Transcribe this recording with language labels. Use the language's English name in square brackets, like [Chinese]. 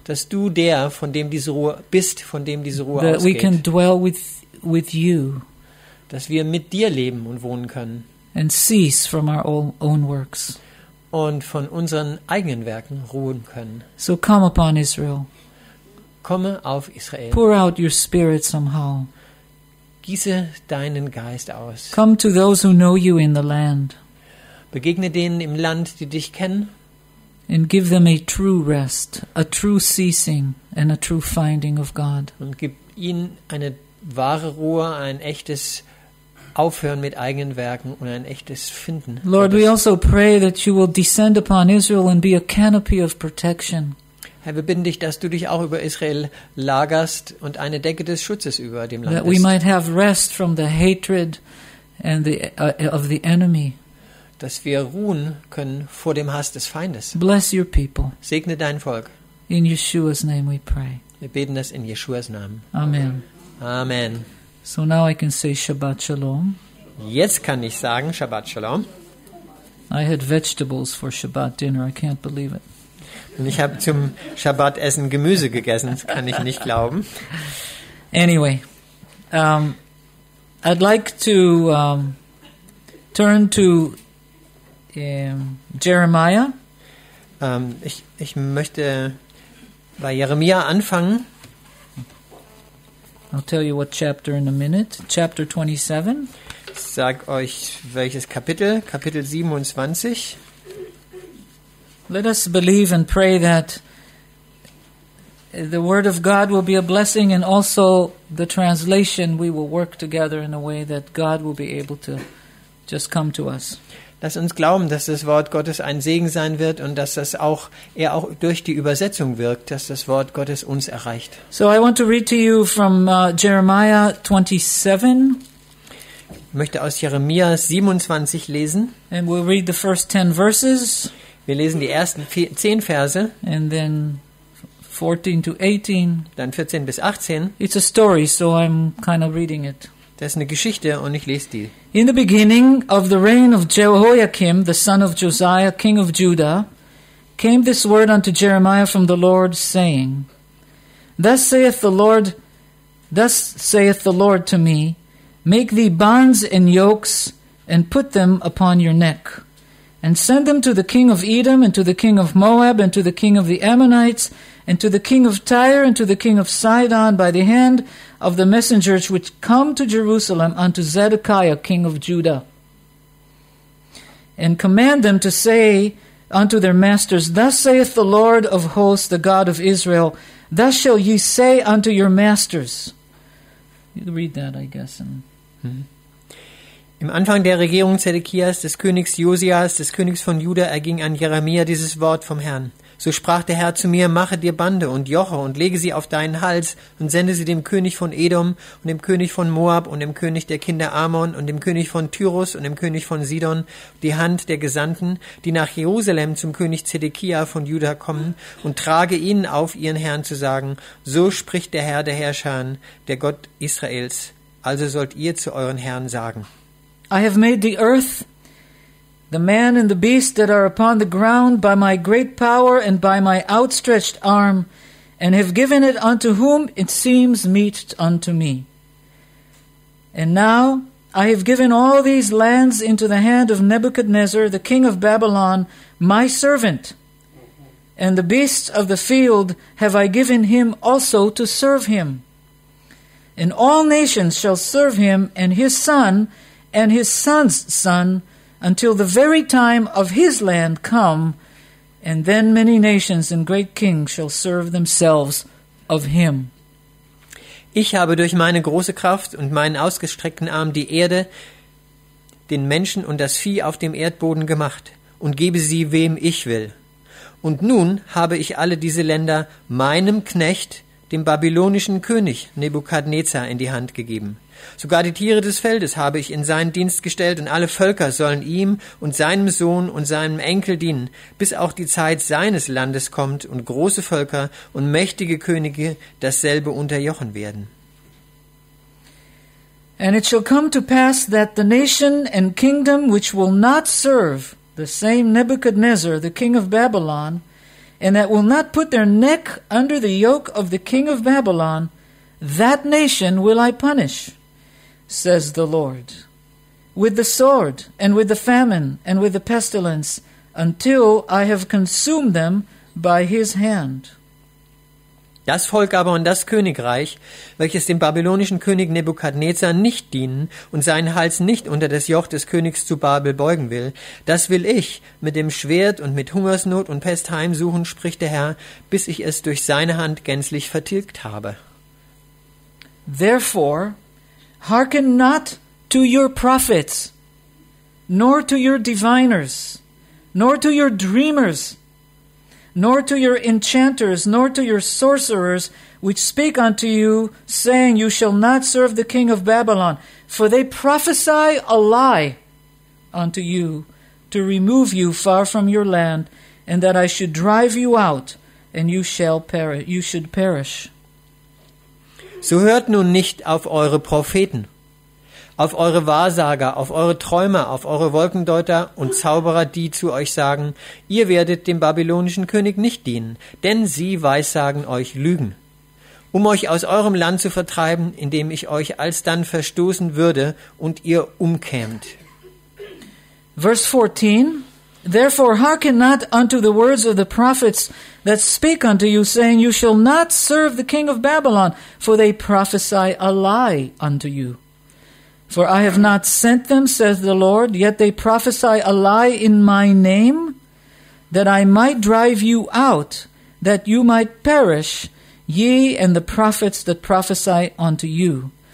[German] Dass du der, von dem diese Ruhe bist, von dem diese Ruhe [English] that [German] ausgeht. [English] We can dwell with you. [German] Dass wir mit dir leben und wohnen können. [English] And cease from our own works. [German] Und von unseren eigenen Werken ruhen können. [English] So come upon Israel. [German] Komme auf Israel. [English] Pour out your spirit somehow. [German] Gieße deinen Geist aus. [English] Come to those who know you in the land. [German] Begegne denen im Land, die dich kennen. [English] And give them a true rest, a true ceasing and a true finding of God. [German] Und gib ihnen eine wahre Ruhe, ein echtes Aufhören mit eigenen Werken und ein echtes Finden. [English] Lord, we also pray that you will descend upon Israel and be a canopy of protection. [German] Herr, wir bitten dich, dass du dich auch über Israel lagerst und eine Decke des Schutzes über dem Land bist. [English] That we might have rest from the hatred and the of the enemy. [German] Dass wir ruhen können vor dem Hass des Feindes. [English] Bless your people. [German] Segne dein Volk. [English] In Yeshua's name we pray. [German] Wir beten das in Yeshua's Namen. [English] Amen. [German] Amen. [English] So now I can say Shabbat Shalom. [German] Jetzt kann ich sagen Shabbat Shalom. [English] I had vegetables for Shabbat dinner. I can't believe it. [German] Und ich habe zum Shabbat-Essen Gemüse gegessen. Das kann ich nicht glauben. [English] Anyway, I'd like to turn to Jeremiah. [German] Ich möchte bei Jeremia anfangen. [English] I'll tell you what chapter in a minute. Chapter 27. [German] Ich sag euch welches Kapitel. Kapitel 27. [English] Let us believe and pray that the word of God will be a blessing and also the translation we will work together in a way that God will be able to just come to us. [German] Lass uns glauben, dass das Wort Gottes ein Segen sein wird und dass das auch er auch durch die Übersetzung wirkt, dass das Wort Gottes uns erreicht. [English] So I want to read to you from Jeremiah 27. [German] Ich möchte aus Jeremia 27 lesen. [English] And we'll read the first 10 verses. [German] Wir lesen die ersten 10 Verse [English] and then 14 to 18. [German] Dann 14 bis 18. [English] It's a story, so I'm kind of reading it. [German] Das ist eine Geschichte und ich lese die. [English] In the beginning of the reign of Jehoiakim, the son of Josiah, king of Judah, came this word unto Jeremiah from the Lord, saying, Thus saith the Lord to me, make thee bonds and yokes, and put them upon your neck, and send them to the king of Edom, and to the king of Moab, and to the king of the Ammonites, and to the king of Tyre, and to the king of Sidon, by the hand of the messengers which come to Jerusalem unto Zedekiah, king of Judah. And command them to say unto their masters, thus saith the Lord of hosts, the God of Israel, thus shall ye say unto your masters. You read that, I guess. [German] Im Anfang der Regierung Zedekias, des Königs Josias, des Königs von Juda, erging an Jeremia dieses Wort vom Herrn. So sprach der Herr zu mir, mache dir Bande und Joche und lege sie auf deinen Hals und sende sie dem König von Edom und dem König von Moab und dem König der Kinder Ammon und dem König von Tyrus und dem König von Sidon, die Hand der Gesandten, die nach Jerusalem zum König Zedekia von Juda kommen, und trage ihnen auf, ihren Herrn zu sagen, so spricht der Herr der Herrscher, der Gott Israels, also sollt ihr zu euren Herren sagen. [English] I have made the earth, the man and the beast that are upon the ground by my great power and by my outstretched arm, and have given it unto whom it seems meet unto me. And now I have given all these lands into the hand of Nebuchadnezzar, the king of Babylon, my servant, and the beasts of the field have I given him also to serve him. And all nations shall serve him and his son and his son's son, until the very time of his land come, and then many nations and great kings shall serve themselves of him. [German] Ich habe durch meine große Kraft und meinen ausgestreckten Arm die Erde, den Menschen und das Vieh auf dem Erdboden gemacht, und gebe sie wem ich will. Und nun habe ich alle diese Länder meinem Knecht, dem babylonischen König Nebukadnezar, in die Hand gegeben. Sogar die Tiere des Feldes habe ich in seinen Dienst gestellt, und alle Völker sollen ihm und seinem Sohn und seinem Enkel dienen, bis auch die Zeit seines Landes kommt und große Völker und mächtige Könige dasselbe unterjochen werden. [English] And it shall come to pass that the nation and kingdom which will not serve the same Nebuchadnezzar, the king of Babylon, and that will not put their neck under the yoke of the king of Babylon, that nation will I punish, says the Lord, with the sword, and with the famine, and with the pestilence, until I have consumed them by his hand. [German] Das Volk aber und das Königreich, welches dem babylonischen König Nebukadnezar nicht dienen und seinen Hals nicht unter das Joch des Königs zu Babel beugen will, das will ich mit dem Schwert und mit Hungersnot und Pest heimsuchen, spricht der Herr, bis ich es durch seine Hand gänzlich vertilgt habe. [English] Therefore, hearken not to your prophets, nor to your diviners, nor to your dreamers, nor to your enchanters, nor to your sorcerers, which speak unto you, saying, you shall not serve the king of Babylon. For they prophesy a lie unto you, to remove you far from your land, and that I should drive you out, and you should perish. [German] So hört nun nicht auf eure Propheten, auf eure Wahrsager, auf eure Träumer, auf eure Wolkendeuter und Zauberer, die zu euch sagen, ihr werdet dem babylonischen König nicht dienen, denn sie weissagen euch Lügen. Um euch aus eurem Land zu vertreiben, indem ich euch alsdann verstoßen würde und ihr umkämt. [English] Verse 14, therefore hearken not unto the words of the prophets that speak unto you, saying, you shall not serve the king of Babylon, for they prophesy a lie unto you. For I have not sent them, saith the Lord, yet they prophesy a lie in my name, that I might drive you out, that you might perish, ye and the prophets that prophesy unto you.